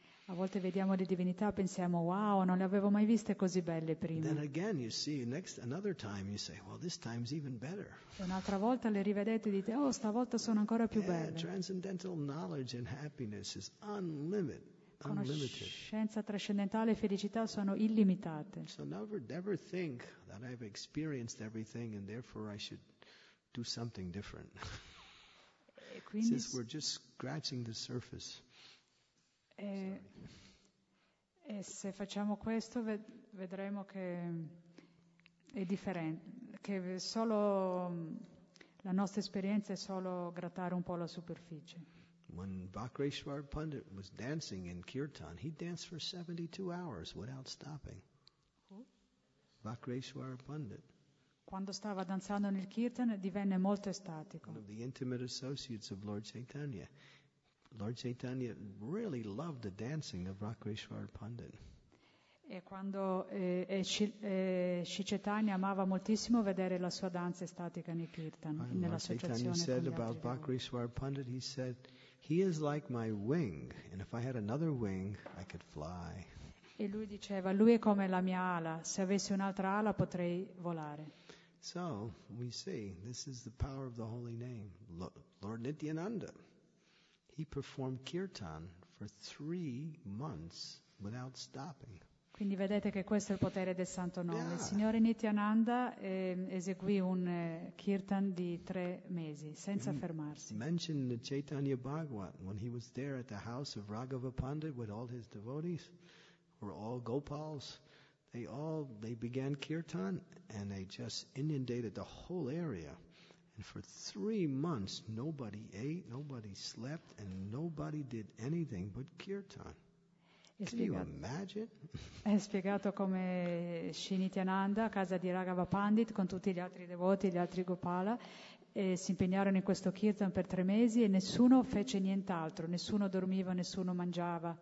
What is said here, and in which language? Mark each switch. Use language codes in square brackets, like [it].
[it] A volte vediamo le divinità e pensiamo, wow, non le avevo mai viste così belle prima. [en] Then again you see next another time you say, well, this time is even better. [it] E un'altra volta le rivedete e dite, oh, stavolta sono ancora più belle. [en] Yeah, transcendental knowledge and happiness is unlimited. [it] Conoscenza trascendentale e felicità sono illimitate. [en] So never think that I've experienced everything and therefore I should do something different. [it] Quindi, [en] since we're just scratching the surface. [it] E se facciamo questo vedremo che è differente, che solo la nostra esperienza è solo grattare un po' la superficie. [en] When Vakreshwar Pandit was dancing in Kirtan, he danced for 72 hours without stopping. Vakreshwar Pandit. [it] Quando stava danzando nel Kirtan, divenne molto estatico. [en] One of the intimate associates of Lord Chaitanya. Lord Chaitanya really loved the dancing of Vakreshwar Pandit. [it] E quando Shri Chaitanya amava moltissimo vedere la sua danza estatica nel Kirtan, nell'associazione con gli altri. [en] Lord Chaitanya said about Vakreshwar Pandit, he said, he is like my wing, and if I had another wing, I could fly. [it] E lui diceva, lui è come la mia ala. Se avessi un'altra ala, potrei volare. [en] So we see this is the power of the holy name, Lord Nityananda. He performed kirtan for 3 months without stopping. [it] Quindi vedete che questo è il potere del Santo Nome. Il Signore Nityananda eseguì un kirtan di 3 mesi, senza fermarsi. [en] Mentioned the Chaitanya Bhagavat when he was there at the house of Raghava Pandit with all his devotees, were all gopals. They began kirtan and they just inundated the whole area. And for 3 months, nobody ate, nobody slept, and nobody did anything but kirtan. [it] È spiegato come Sri Nityananda, a casa di Raghava Pandit, con tutti gli altri devoti, gli altri Gopala, si impegnarono in questo kirtan per 3 mesi e nessuno fece nient'altro, nessuno dormiva, nessuno mangiava.